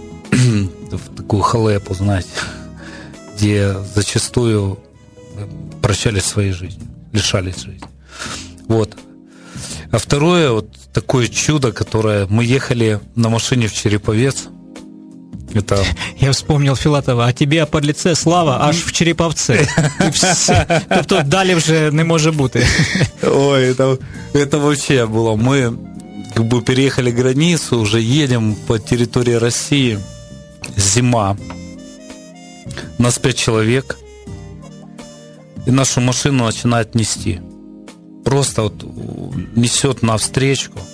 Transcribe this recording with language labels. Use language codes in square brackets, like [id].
[ru] в такую халепу, знаете, где зачастую прощались своей жизнью, лишались жизни. Вот. А второе, вот такое чудо, которое... Мы ехали на машине в Череповец. Это... Я вспомнил Филатова. А тебе по лице слава аж в Череповце. [uk] Тобто далі вже не може бути. [ru] Ой, это вообще было. Мы как бы переехали границу, уже едем по территории России. Зима. Нас 5 человек. И нашу машину начинает нести. Просто вот несет навстречу.